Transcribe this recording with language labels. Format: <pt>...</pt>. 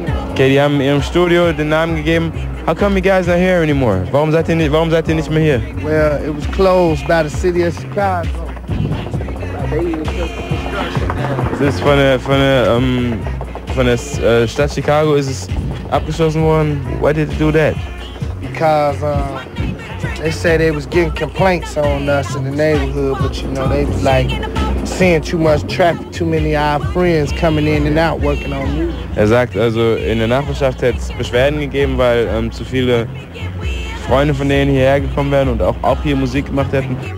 <de>Okay, die haben ihrem Studio den Namen gegeben.</de> <en>How come you guys not here anymore?</en> <de>Warum seid ihr nicht mehr hier?</de> <en>Well, it was closed by the city of Chicago.</en> <de>Es ist von der Stadt Chicago ist es abgeschlossen worden.</de> <en>Why did they do that? Because they said they was getting complaints on us in the neighborhood, but you know, they was like seeing too much traffic, too many of our friends coming in and out working on music.</en> <de>Er sagt also, in der Nachbarschaft hätte es Beschwerden gegeben, weil zu viele Freunde von denen hierher gekommen wären und auch hier Musik gemacht hätten.</de>